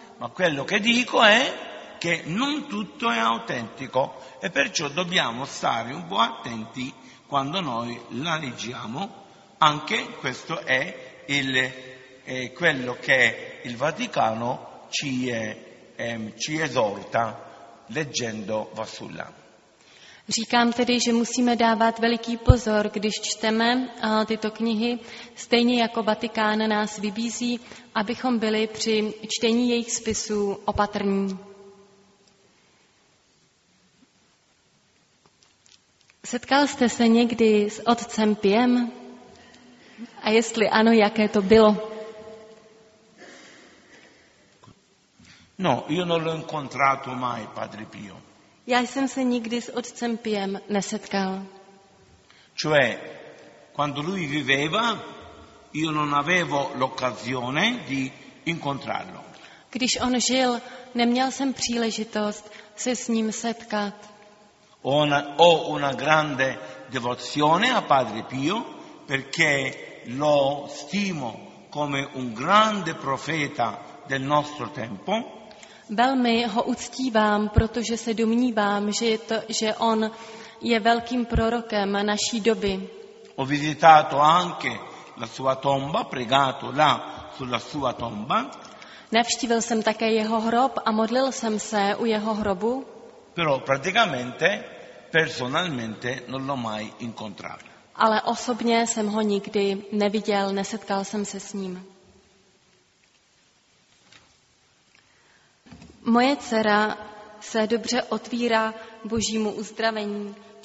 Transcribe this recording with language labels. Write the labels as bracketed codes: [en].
[it] Ma quello che dico è che non tutto è autentico e perciò dobbiamo stare un po' attenti quando noi la leggiamo. Anche questo è quello che il Vaticano ci esorta leggendo Vasula. [cs] Říkám tedy, že musíme dávat veliký pozor, když čteme tyto knihy, stejně jako Vatikán nás vybízí, abychom byli při čtení jejich spisů opatrní. Setkal jste se někdy s otcem Piem? A jestli ano, jaké to bylo? [it] No, io non l'ho incontrato mai, padre Pio. [cs] Já jsem se nikdy s otcem Piem nesetkal. [it] Cioè, quando lui viveva, io non avevo l'occasione di incontrarlo. [cs] Když on žil, neměl jsem příležitost se s ním setkat. [it] Ho una grande devozione a padre Pio, perché lo stimo come un grande profeta del nostro tempo. [cs] Velmi ho uctívám, protože se domnívám, že on je velkým prorokem naší doby. [it] Ho visitato anche la sua tomba, pregato là sulla sua tomba. [cs] Navštívil jsem také jeho hrob a modlil jsem se u jeho hrobu. [it] Però praticamente personalmente non l'ho mai incontrato. [cs] Ale osobně jsem ho nikdy neviděl, nesetkal jsem se s ním. Moje dcera se dobře otvírá Božímu uzdravení.